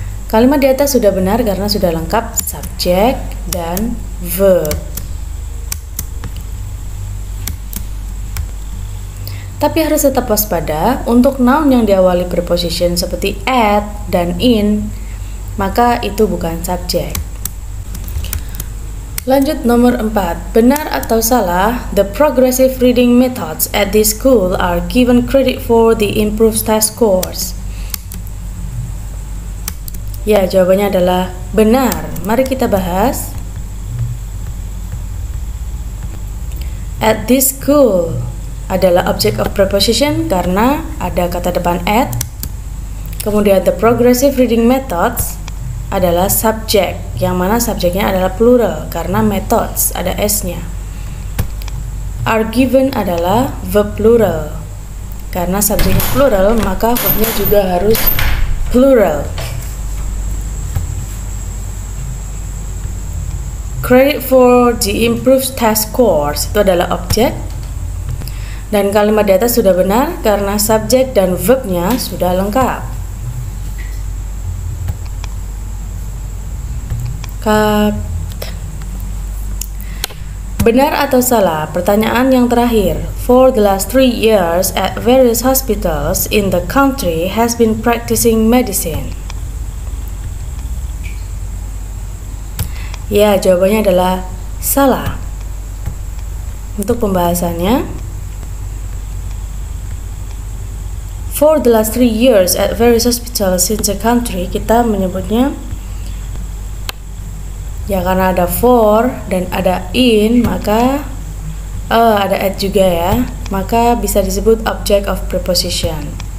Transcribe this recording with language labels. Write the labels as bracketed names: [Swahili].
[Indonesian] Kalimat di atas sudah benar karena sudah lengkap subject dan verb. Tapi harus tetap waspada, untuk noun yang diawali preposition seperti at dan in, maka itu bukan subject. Lanjut nomor 4. Benar atau salah, [English] the progressive reading methods at this school are given credit for the improved test scores. [Indonesian] Ya, jawabannya adalah benar. Mari kita bahas. [English] At this school [Indonesian] adalah object of preposition karena ada kata depan at. Kemudian [English] the progressive reading methods [Indonesian] adalah subject, yang mana subjeknya adalah plural karena methods ada s-nya. [English] Are given [Indonesian] adalah verb plural. Karena subjeknya plural, maka verbnya juga harus plural. [English] Credit for the improved test scores [Indonesian] itu adalah [English] object. [Indonesian] Dan kalimat di atas sudah benar karena subjek dan verbnya sudah lengkap. Benar atau salah? Pertanyaan yang terakhir. [English] For the last 3 years at various hospitals in the country has been practicing medicine. [Indonesian] Ya, jawabannya adalah salah. Untuk pembahasannya, [English] for the last 3 years at various hospitals in the country, [Indonesian] kita menyebutnya ya karena ada for dan ada in, maka ada at juga ya, maka bisa disebut object of preposition.